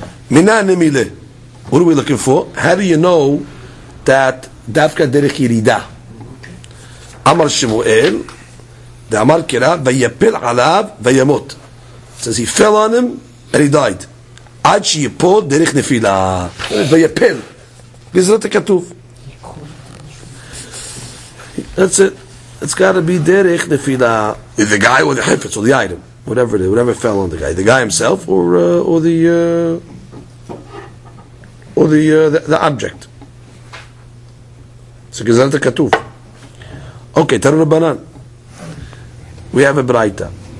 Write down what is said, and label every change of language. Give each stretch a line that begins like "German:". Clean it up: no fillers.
Hebrew: Mina nemile.
English: What are we looking for? How do you know that
Hebrew: דווקא דרך ירידה אמר שמואל דאמר קירה ויפל עליו וימות.
English: It says he fell on him and he died.
Hebrew: עד שיפול דרך נפילה ויפל בעזרת הכתוב.
English: It's got to be derech nefila. The guy or the chifetz or the item, whatever it is, whatever fell on the guy, the guy himself or the object. So
Hebrew: gezalta katuv.
English: Okay,
Hebrew: taru rabanan.
English: We have a braita.